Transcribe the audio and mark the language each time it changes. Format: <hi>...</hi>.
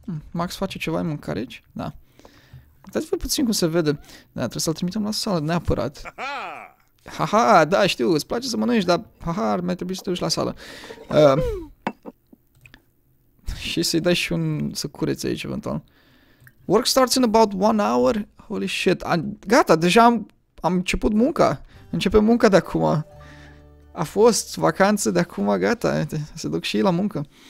<ro>Max face ceva în mâncare aici? Da. Uitați-vă puțin cum se vede. Da, trebuie să-l trimitem la sală, neapărat. Haha, da, știu, îți place să mănânci, dar haha, ar mai trebui să te duci la sală. Și să-i dai și un... să cureți aici, eventual.</ro> <en>Work starts in about one hour? Holy shit.</en> <ro>Gata, deja am început munca. Începem munca de acum. A fost vacanță de acum, gata. Se duc și ei la muncă.</ro>